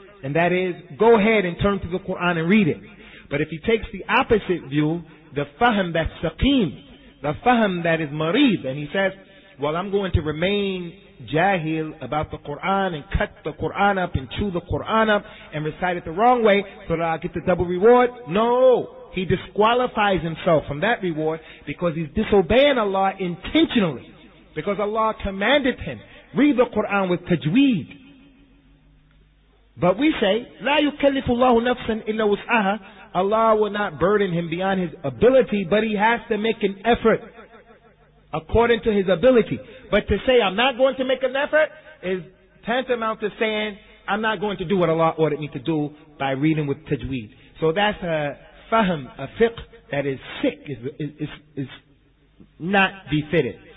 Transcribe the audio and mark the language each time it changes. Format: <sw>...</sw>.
<en>And that is, go ahead and turn to the Quran and read it. But if he takes the opposite view, the fahm that's saqeem, the fahm that is marid, and he says, well, I'm going to remain jahil about the Quran and cut the Quran up and chew the Quran up and recite it the wrong way so that I get the double reward. No, he disqualifies himself from that reward because he's disobeying Allah intentionally. Because Allah commanded him, read the Quran with tajweed. But we say,</en> <ar>لا يكلف الله نفسا إلا وسعها.</ar> <en>Allah will not burden him beyond his ability, but he has to make an effort according to his ability. But to say, I'm not going to make an effort, is tantamount to saying, I'm not going to do what Allah ordered me to do by reading with tajweed. So that's a fahm, a fiqh, that is sick, is not befitted.</en>